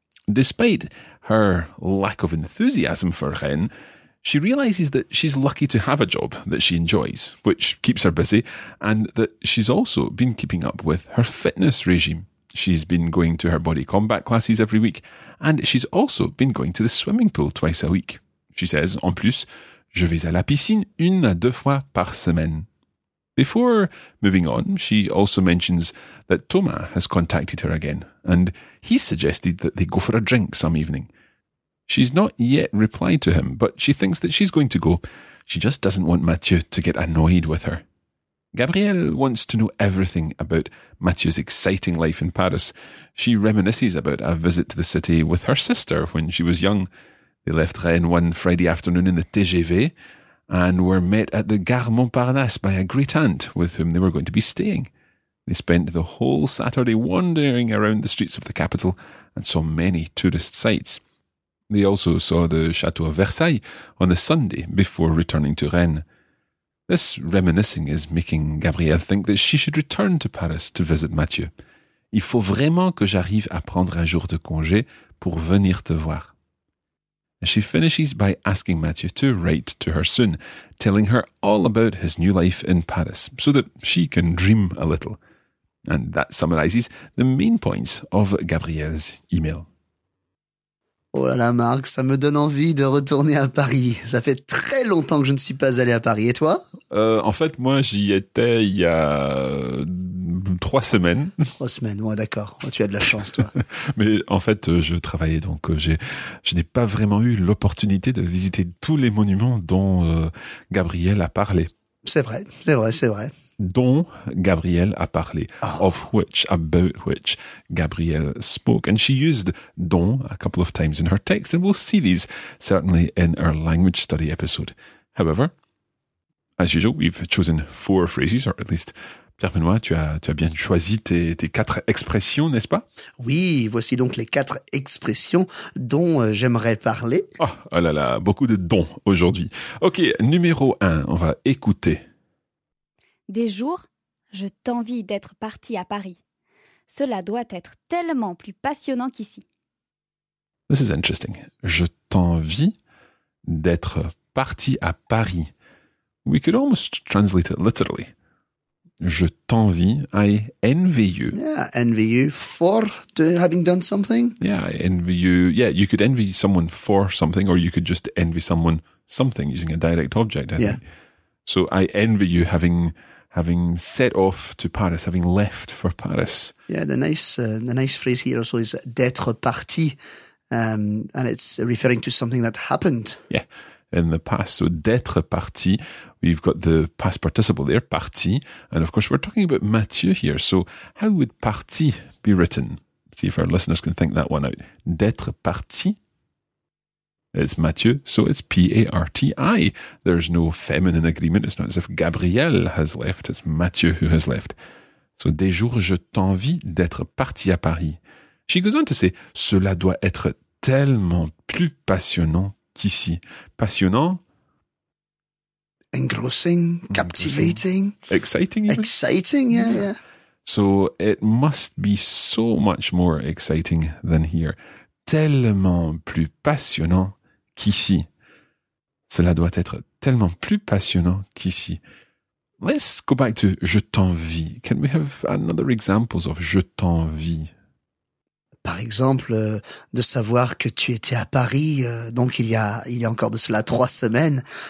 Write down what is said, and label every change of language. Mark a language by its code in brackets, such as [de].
[en] Despite her lack of enthusiasm for Rennes, she realises that she's lucky to have a job that she enjoys, which keeps her busy, and that she's also been keeping up with her fitness regime. She's been going to her body combat classes every week, and she's also been going to the swimming pool twice a week. She says, [fr] en plus, je vais à la piscine une à deux fois par semaine. [en] Before moving on, she also mentions that Thomas has contacted her again, and he suggested that they go for a drink some evening. She's not yet replied to him, but she thinks that she's going to go. She just doesn't want Mathieu to get annoyed with her. Gabrielle wants to know everything about Mathieu's exciting life in Paris. She reminisces about a visit to the city with her sister when she was young. They left Rennes one Friday afternoon in the TGV and were met at the Gare Montparnasse by a great aunt with whom they were going to be staying. They spent the whole Saturday wandering around the streets of the capital and saw many tourist sights. They also saw the Chateau of Versailles on the Sunday before returning to Rennes. This reminiscing is making Gabrielle think that she should return to Paris to visit Mathieu. [fr] Il faut vraiment que j'arrive à prendre un jour de congé pour venir te voir. [en] She finishes by asking Mathieu to write to her soon, telling her all about his new life in Paris so that she can dream a little. And that summarizes the main points of Gabrielle's email. [fr] Oh là là, Marc, ça me donne envie de retourner à Paris. Ça fait très longtemps que je ne suis pas allé à Paris. Et toi? En fait, moi, j'y étais il y a 3 semaines. 3 semaines, ouais, d'accord. Tu as de la chance, toi. Mais en fait, je travaillais, donc je n'ai pas vraiment eu l'opportunité de visiter tous les monuments dont Gabrielle a parlé. C'est vrai, c'est vrai, c'est vrai. Dont Gabrielle a parlé, [en] of which, about which Gabrielle spoke. And she used dont a couple of times in her text, and we'll see these certainly in our language study episode. However, as usual, we've chosen 4 phrases, or at least Pierre-Benoît, [fr] tu as bien choisi tes 4 expressions, n'est-ce pas? Oui, voici donc les 4 expressions dont j'aimerais parler. Oh, oh là là, beaucoup de dons aujourd'hui. Ok, numéro 1, on va écouter. Des jours, je t'envie d'être parti à Paris. Cela doit être tellement plus passionnant qu'ici. [en] This is interesting. [fr] Je t'envie d'être parti à Paris. [en] We could almost translate it literally. [fr] Je t'envie, [en] I envy you. Yeah, envy you for having done something. Yeah, I envy you. Yeah, you could envy someone for something, or you could just envy someone something using a direct object, I think. So I envy you having set off to Paris, having left for Paris. Yeah, the nice phrase here also is [fr] d'être parti, [en] and it's referring to something that happened. Yeah, in the past. So [fr] d'être parti, [en] we've got the past participle there, parti, and of course we're talking about Mathieu here, so how would parti be written? See if our listeners can think that one out. [fr] D'être parti, [en] it's Mathieu, so it's P-A-R-T-I. There's no feminine agreement, it's not as if Gabrielle has left, it's Mathieu who has left. [fr] So des jours je t'envie d'être parti à Paris. [en] She goes on to say, [fr] cela doit être tellement plus passionnant qu'ici. Passionnant? [en] Engrossing, captivating. Exciting, even. Exciting, yeah. So it must be so much more exciting than here. [fr] Tellement plus passionnant qu'ici. Cela doit être tellement plus passionnant qu'ici. [en] Let's go back to [fr] je t'envie. [en] Can we have another examples of je t'envie? [fr] Par exemple, de savoir que tu étais à Paris, donc il y a encore de cela 3 semaines.